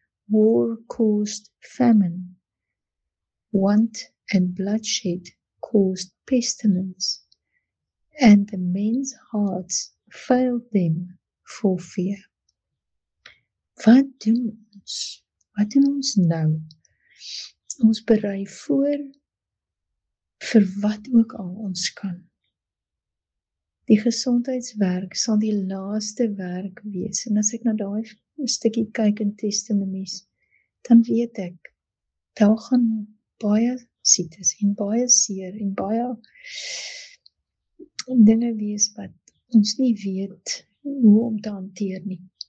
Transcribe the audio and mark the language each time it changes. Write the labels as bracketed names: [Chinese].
[English] War caused famine. Want and bloodshed caused pestilence. And the men's hearts failed them for fear. [Afrikaans] Wat doen ons Wat doen ons nou? Ons berei voor vir wat ook al ons kan. Die gesondheidswerk sal die laaste werk wees. En as ek na daai stukkie kyk in testimonies, dan weet ek, daar gaan baie siektes en baie seer en baie dinge wees wat ons nie weet hoe om te hanteer nie.